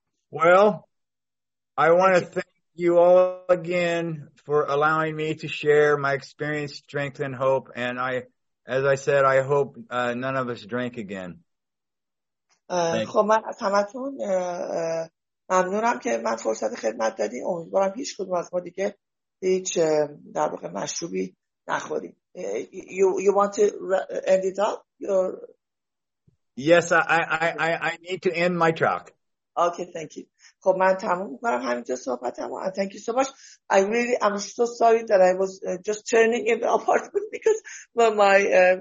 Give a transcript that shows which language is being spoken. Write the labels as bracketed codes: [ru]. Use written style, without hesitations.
[en] Well, I want to thank you all again for allowing me to share my experience, strength and hope, and I, as I said, I hope none of us drink again. [fa] خب من از همتون ممنونم که من فرصت خدمت دادی. امیدوارم هیچ کدوم از ما دیگه هیچ در واقع مشروبی نخوریم. [en] You want to end it up? Yes, I need to end my talk. Okay, thank you. [fa] خب من تموم می‌کنم همینجا صحبتم و [en] thank you so much. I really am so sorry that I was just turning in the apartment because my